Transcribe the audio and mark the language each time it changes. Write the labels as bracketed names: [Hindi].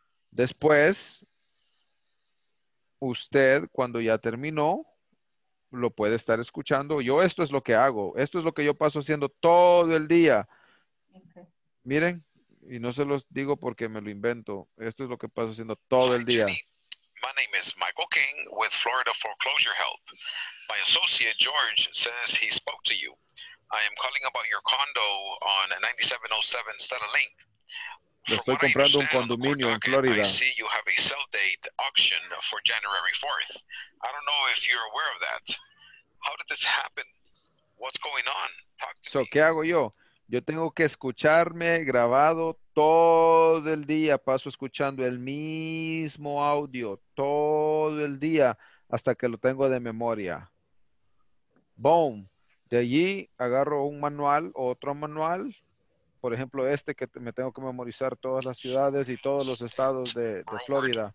[Spanish] Después, usted cuando ya terminó, lo puede estar escuchando. Yo esto es lo que hago, esto es lo que yo paso haciendo todo el día. Okay. Miren, y no se los digo porque me lo invento, esto es lo que paso haciendo todo el día. [English] My name is Michael King with Florida Foreclosure Help. My associate George says he spoke to you. I am calling about your condo on 9707 Stella Link. [Spanish] Yo estoy comprando un condominio en Florida. [English] I see you have a sell date auction for January 4th. I don't know if you're aware of that. How did this happen? What's going on? Talk to so, me. [Spanish] ¿Qué hago yo? Yo tengo que escucharme grabado todo el día. Paso escuchando el mismo audio todo el día hasta que lo tengo de memoria. Boom. De allí agarro un manual o otro manual. Por ejemplo, este que me tengo que memorizar todas las ciudades y todos los estados de Florida.